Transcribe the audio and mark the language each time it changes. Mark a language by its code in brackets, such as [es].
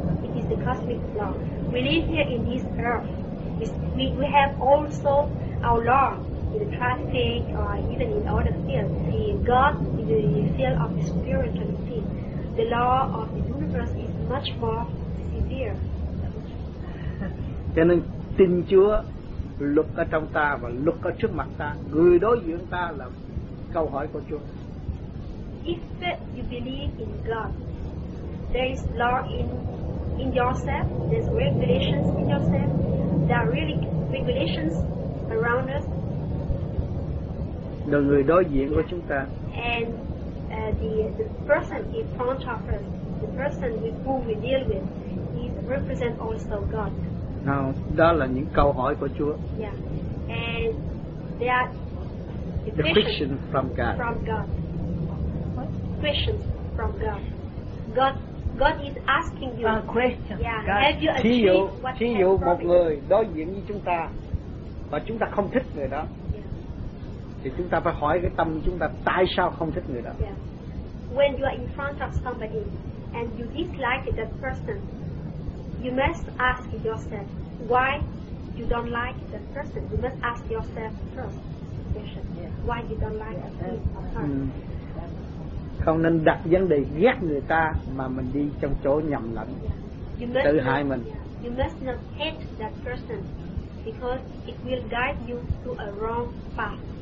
[en] It is the cosmic law. We live here in this earth. We have also our law in the traffic or even in other fields. The God in the field of the spiritual field, the law of the universe is much more severe. [vi] Cho nên tin Chúa. Luật ở trong ta và luật ở trước mặt ta, người đối diện ta là câu hỏi của Chúa. [en] If you believe in God, there is law in yourself, there's regulations in yourself, there are really regulations around us. [vi] Là người đối diện của chúng ta. [en] And the person in front of us, the person with whom we deal with, is represent also God. [vi] Nào, đó là những câu hỏi của Chúa. [en] Yeah. And they are the questions from God. From God. What? Questions from God. God is asking you. Questions. Yeah. Have you achieved what [vi] thí dụ một người đối diện với chúng ta và chúng ta không thích người đó. Thì chúng ta phải hỏi cái tâm chúng ta tại sao không thích người đó. [en] Yeah. When you are in front of somebody and you dislike that person, you must ask yourself why you don't like the person. You must ask yourself first why you don't like him. [vi] Không nên đặt vấn đề ghét người ta mà mình đi trong chỗ nhầm lẫn, tự hại mình. [en] You must not hate that person because it will guide you to a wrong path.